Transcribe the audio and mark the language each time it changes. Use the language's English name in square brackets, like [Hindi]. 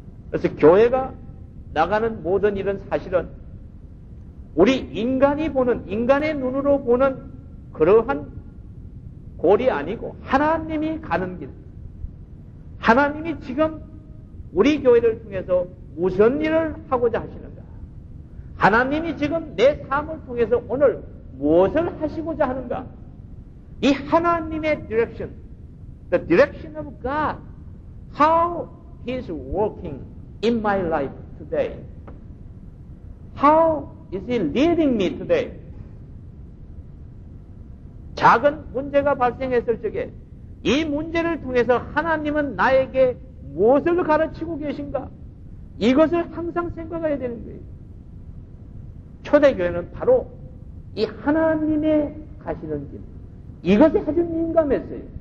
[Korean] 그래서 교회가 나가는 모든 일은 사실은 우리 인간이 보는 인간의 눈으로 보는 그러한 골이 아니고 하나님이 가는 길, 하나님이 지금 우리 교회를 통해서 무슨 일을 하고자 하시는가? 하나님이 지금 내 삶을 통해서 오늘 무엇을 하시고자 하는가? 이 하나님의 [English] direction, the direction of God, how he's working in my life today. How is he leading me today? [Korean] 작은 문제가 발생했을 적에 이 문제를 통해서 하나님은 나에게 무엇을 가르치고 계신가? 이것을 항상 생각해야 되는 거예요. 초대교회는 바로 이 하나님의 가시는 길, 이것에 아주 민감했어요.